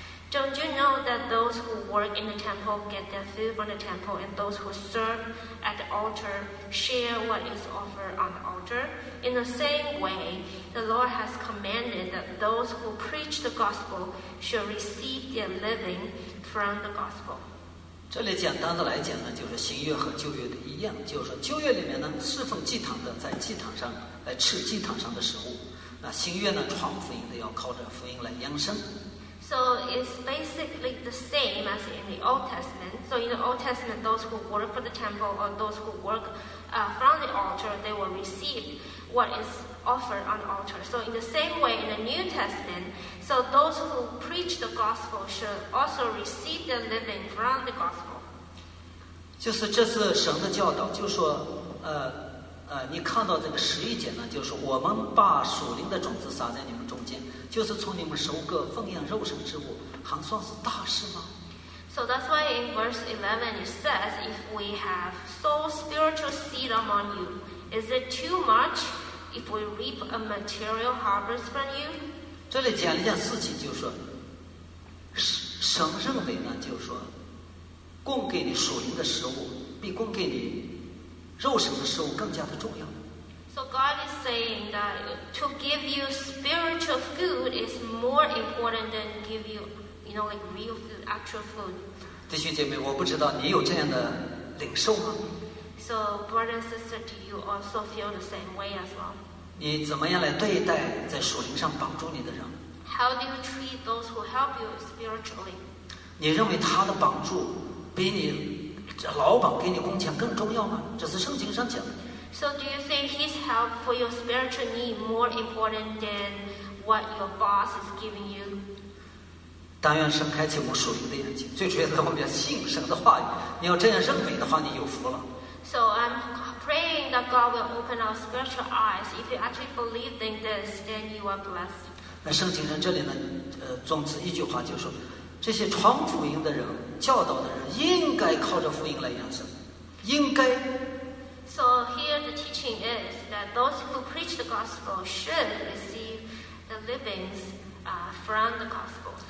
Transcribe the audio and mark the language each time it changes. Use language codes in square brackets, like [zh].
[en] Don't you know that those who work in the temple get their food from the temple, and those who serve at the altar share what is offered on the altar? In the same way, the Lord has commanded that those who preach the gospel should receive their living from the gospel. [zh] 这里简单的来讲呢，就是新约和旧约的一样，就是说旧约里面呢，侍奉祭坛的在祭坛上来吃祭坛上的食物，那新约呢，传福音的要靠着福音来养生。 [en] So it's basically the same as in the Old Testament. So in the Old Testament, those who work for the temple or those who work from the altar, they will receive what is offered on the altar. So in the same way in the New Testament, so those who preach the gospel should also receive their living from the gospel. [zh] 就是这是神的教导，就说你看到这个十一节呢，就是我们把属灵的种子撒在你们中间，就是从你们收割奉养肉身之物，还算是大事吗？ [en] So that's why in verse 11 it says, if we have sown spiritual seed among you, is it too much if we reap a material harvest from you? [zh] 这里讲了一件事情，就是说神认为呢，就是说供给你属灵的食物比供给你肉身的食物更加的重要。 [en] So God is saying that to give you spiritual food is more important than give you, you know, like real food, actual food. [zh] 弟兄姐妹，我不知道你有这样的领受吗？ [en] So brother and sister, do you also feel the same way as well? [zh] 你怎么样来对待在属灵上帮助你的人？ [en] How do you treat those who help you spiritually? [zh] 你认为他的帮助比你这老板给你工钱更重要吗？这是圣经上讲的。 [en] So do you think his help for your spiritual need more important than what your boss is giving you? [zh] 但愿神开启我们属灵的眼睛，最主要在我们要信神的话语。你要这样认为的话，你有福了。 [en] So I'm praying that God will open our spiritual eyes. If you actually believe in this, then you are blessed. [zh] 那圣经上这里呢，总之一句话就是说，这些传福音的人、教导的人，应该靠着福音来养生，应该。 [en] So here the teaching is that those who preach the gospel should receive the livings from the gospel.